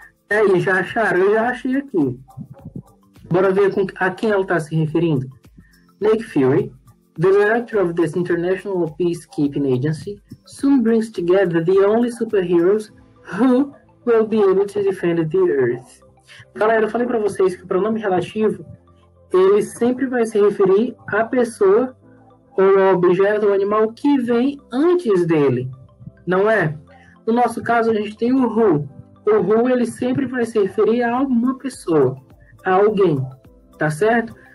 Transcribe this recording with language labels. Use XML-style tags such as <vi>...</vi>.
<pt>E aí, já acharam? Eu já achei aqui. Bora ver com a quem ela está se referindo.</pt> <en>Nick Fury, the director of this international peacekeeping agency, soon brings together the only superheroes who will be able to defend the Earth.</en> <pt>Galera, eu falei para vocês que o pronome relativo, ele sempre vai se referir à pessoa ou ao objeto ou animal que vem antes dele, não é? No nosso caso, a gente tem o who. O who, ele sempre vai se referir a alguma pessoa, a alguém, tá certo?</pt>